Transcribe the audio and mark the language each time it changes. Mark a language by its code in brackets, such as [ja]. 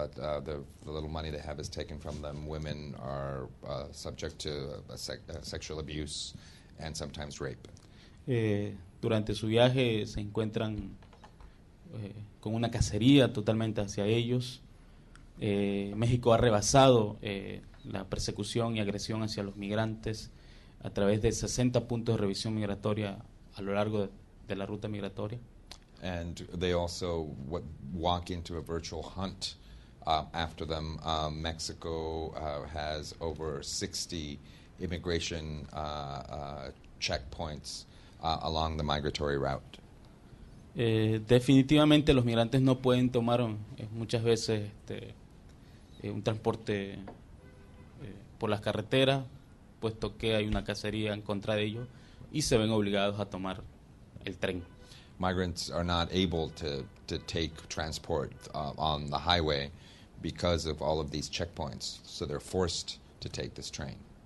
[en] The little money they have is taken from them. Women are subject to sexual abuse and sometimes rape. [es] Durante su viaje se encuentran con una cacería totalmente hacia ellos. México ha rebasado la persecución y agresión hacia los migrantes a través de 60 puntos de revisión migratoria a lo largo de la ruta migratoria. [en] And they also walk into a virtual hunt after them. Mexico has over 60 immigration checkpoints along the migratory route. [es] Definitivamente los migrantes no pueden tomar muchas veces un transporte por las carreteras, puesto que hay una cacería en contra de ellos, y se ven obligados a tomar el tren. [en] Migrants are not able to take transport on the highway because of all of these checkpoints, so they're forced to take this train.